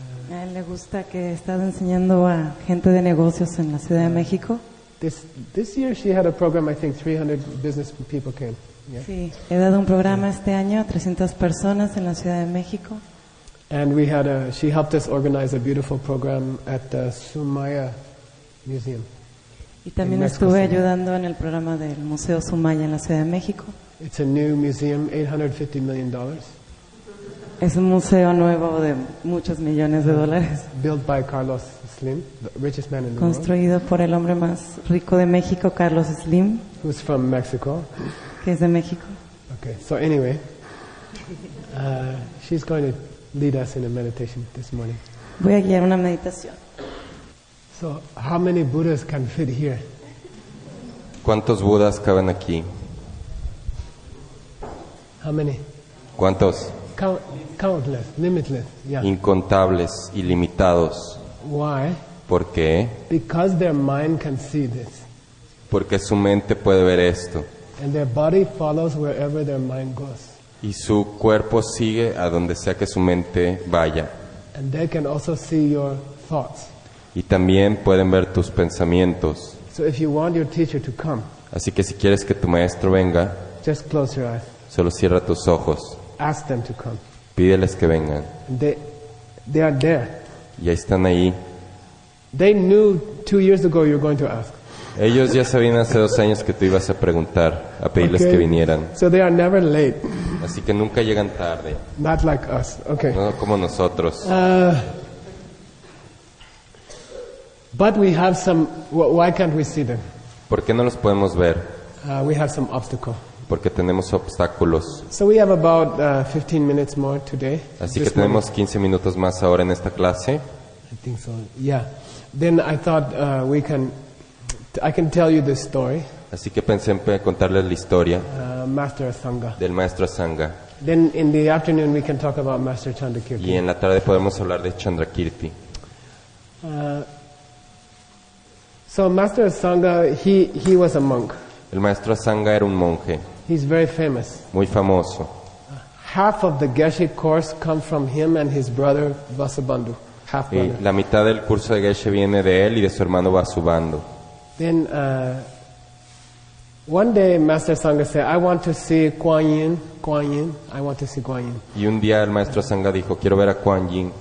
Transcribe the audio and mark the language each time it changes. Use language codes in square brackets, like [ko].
[es] A él le gusta que está enseñando a gente de negocios en la Ciudad de México. [en] This year she had a program. I think 300 business people came. [es] Yeah. Sí, he dado un programa este año a 300 personas en la Ciudad de México. [en] And we had she helped us organize a beautiful program at the Sumaya Museum. [es] Y también estuve ayudando en el programa del Museo Sumaya en la Ciudad de México. [en] It's a new museum, $850 million. [es] Es un museo nuevo de muchos millones de dólares. [en] Built by Carlos Slim, the richest man in the world. [es] Construido por el hombre más rico de México, Carlos Slim. [en] Who's from Mexico? [es] Es de México. [en] Okay. So anyway, she's going to lead us in a meditation this morning. [es] Voy a guiar una meditación. [en] So, how many Buddhas can fit here? [es] ¿Cuántos Budas caben aquí? [en] How many? [es] ¿Cuántos? [en] Countless, limitless. Yeah. [es] Incontables, ilimitados. [en] Why? [es] ¿Por qué? [en] Because their mind can see this. [es] Porque su mente puede ver esto. [en] And their body follows wherever their mind goes. [es] Y su cuerpo sigue a donde sea que su mente vaya. [en] And they can also see your thoughts. [es] Y también pueden ver tus pensamientos. [en] So if you want your teacher to come, [es] así que si quieres que tu maestro venga, [en] just close your eyes. [es] Solo cierra tus ojos. [en] Ask them to come. [es] Pídeles que vengan. [en] They are there. [es] Y ahí están ahí. [en] They knew 2 years ago you were going to ask. [es] Ellos ya sabían hace 2 años que tú ibas a preguntar, a pedirles [en] okay. [es] que vinieran. [en] So they are never late. [es] Así que nunca llegan tarde. [en] Not like us. Okay. [es] No como nosotros. [en] But we have some. Why can't we see them? [es] ¿Por qué no los podemos ver? [en] We have some obstacle. [es] Porque tenemos obstáculos. [en] So we have about 15 minutes more today. [es] Así que tenemos 15 minutos más ahora en esta clase. [en] I think so. Yeah. Then I thought we can. I can tell you this story. [es] Así que pensé en contarles la historia. [en] Master Asanga. [es] Del maestro Asanga. [en] Then in the afternoon we can talk about Master Chandrakirti. [es] Y en la tarde podemos hablar de Chandrakirti. [en] So Master Asanga, he was a monk. [es] El maestro Asanga era un monje. [en] He's very famous. [es] Muy famoso. [en] Half of the Geshe course come from him and his brother Vasubandhu. Half. [es] Y la mitad del curso de Geshe viene de él y de su hermano Vasubandhu. [en] Then one day Master Sangha said, I want to see Kuan Yin, Kuan Yin, I want to see Kuan Yin. [es] Y un día el maestro Sangha dijo, quiero ver a Kuan Yin.